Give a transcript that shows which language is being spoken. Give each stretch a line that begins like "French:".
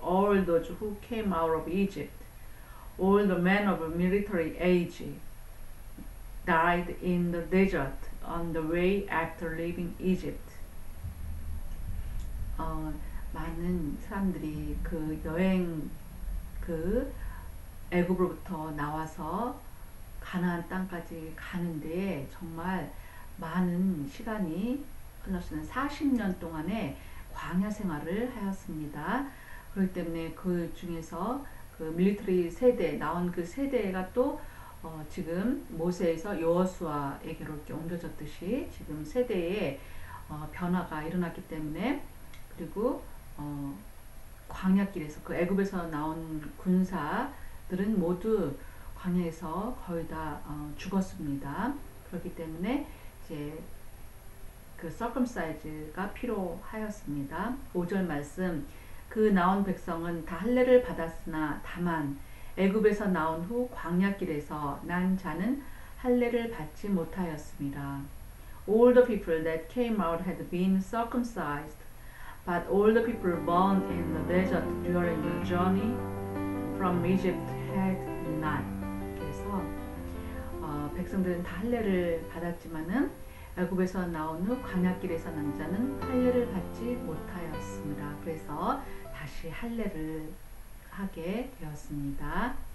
English: All those who came out of Egypt, all the men of military age, died in the desert on the way after leaving Egypt.
Korean: 많은 사람들이 그 여행 그 애굽으로부터 나와서 가나안 땅까지 가는데 정말 많은 시간이 흘렀으면 40년 동안의 광야 생활을 하였습니다. 그렇기 때문에 그 중에서 그 밀리터리 세대 나온 그 세대가 또 지금 모세에서 여호수아에게로 옮겨졌듯이 지금 세대에 변화가 일어났기 때문에 그리고 광야길에서 그 애굽에서 나온 군사들은 모두 광야에서 거의 다 죽었습니다. 그렇기 때문에 이제 그 circumcise가 필요하였습니다. 5절 말씀 그 나온 백성은 다 할례를 받았으나 다만 애굽에서 나온 후 광야길에서 난 자는 할례를 받지 못하였습니다.
English: All the people that came out had been circumcised, but all the people born in the desert during the journey from Egypt had not.
Korean: 그래서 백성들은 다 할례를 받았지만은 애굽에서 나온 후 광야길에서 난 자는 할례를 받지 못하였습니다. 그래서 다시 할례를 하게 되었습니다.